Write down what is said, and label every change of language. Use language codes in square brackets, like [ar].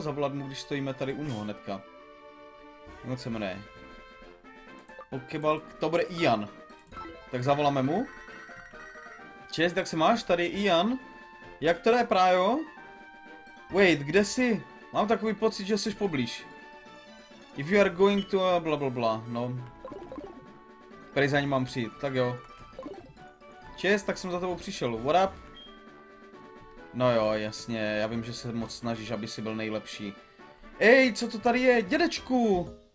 [cs] Zavolat mu, když stojíme tady u něho hnedka. Jak se jmenuje? Pokeball, to bude Ian. Tak zavoláme mu. Čest, jak se máš? Tady je Ian. Jak to je, Prajo? [en] Wait, [cs] kde jsi? Mám takový pocit, že jsi poblíž. [en] If you are going to blablabla, no. [cs] Prej za ním mám přijít, tak jo. Čest, tak jsem za tebou přišel. [en] What up? [cs] No jo, jasně, já vím, že se moc snažíš, aby si byl nejlepší. Ej, co to tady je? Dědečku!